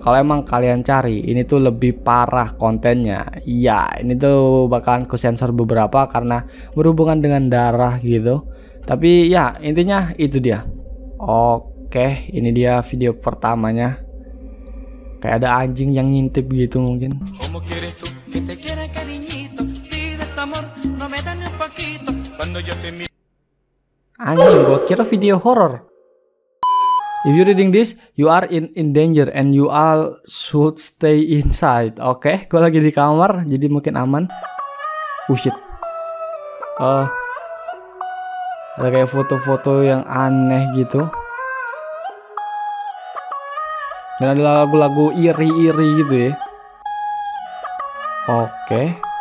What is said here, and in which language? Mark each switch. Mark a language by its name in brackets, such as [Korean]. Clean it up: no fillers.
[Indonesian] Kalau emang kalian cari, ini tuh lebih parah kontennya. Iya, ini tuh bakalan kusensor beberapa karena berhubungan dengan darah gitu. Tapi ya, intinya itu dia. Oke, ini dia video pertamanya. Kayak ada anjing yang ngintip gitu mungkin. [Spanish] Como quieres tú que te quiera cariñito, si de tu amor no me dan un poquito, cuando yo te mi... [Indonesian] Anjing, gua kira video horror. [English] If you reading this, you are in danger and you all should stay inside. [Indonesian] Oke, okay? Gua lagi di kamar jadi mungkin aman. [English] Oh shit. [Indonesian] Ada kayak foto-foto yang aneh gitu. Dan ada lagu-lagu iri-iri gitu ya. Oke.